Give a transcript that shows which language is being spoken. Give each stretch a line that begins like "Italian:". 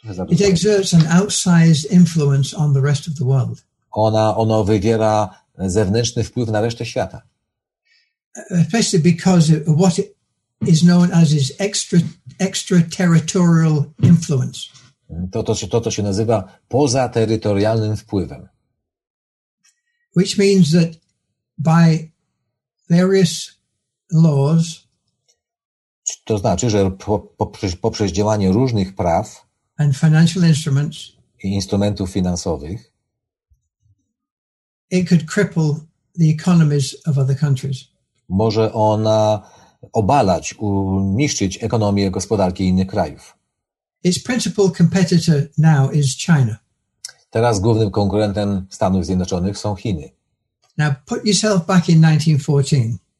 English: It exerts an outsized influence on the rest of the world.
Polish: Ono wywiera zewnętrzny wpływ na resztę świata.
English: Especially because of what is known as its extraterritorial influence.
Polish: To się nazywa pozaterytorialnym wpływem.
English: Which means that by various laws,
Polish: to znaczy, że poprzez działanie różnych praw
English: and financial instruments,
Polish: i instrumentów finansowych,
English: it could cripple the economies of other countries.
Polish: Może ona obalać, niszczyć ekonomię, gospodarki innych krajów.
English: Its principal competitor now is China.
Polish: Teraz głównym konkurentem Stanów Zjednoczonych są Chiny.
English: Now put yourself back in 1914.